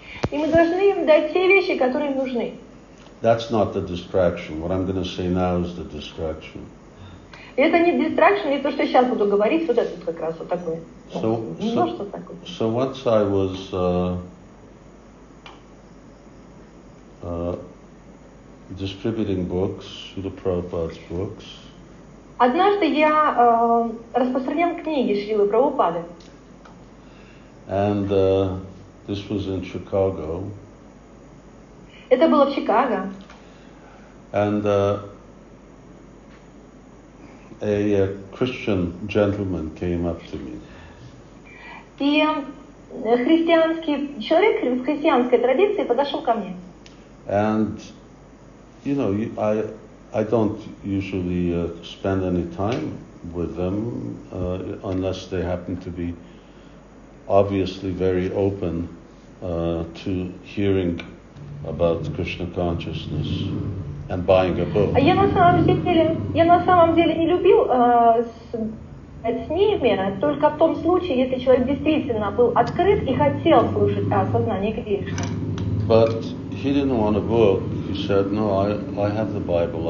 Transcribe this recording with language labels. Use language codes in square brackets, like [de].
[ru] И мы должны им дать те вещи, которые им нужны. [en] That's not the distraction. What I'm going to say now is the distraction. [ru] Это не distraction, не то, что сейчас буду говорить, вот это как раз вот такое. [en] So once I was distributing books, Śrīla Prabhupāda's books. [ru] Однажды я распространял книги Шрилы Прабхупады. [en] And this was in Chicago. [ru] Это было в Чикаго. [en] And a Christian gentleman came up to me. [ru] И христианский человек в христианской традиции подошел ко мне. [en] And you know, I don't usually spend any time with them unless they happen to be obviously very open to hearing about Krishna consciousness. And buying a book. [ru] Я на самом деле не любил с ними, только в том случае, если человек действительно был открыт и хотел слушать о сознании Кришны. [en] But he didn't want a book. He said, "No, I have the Bible.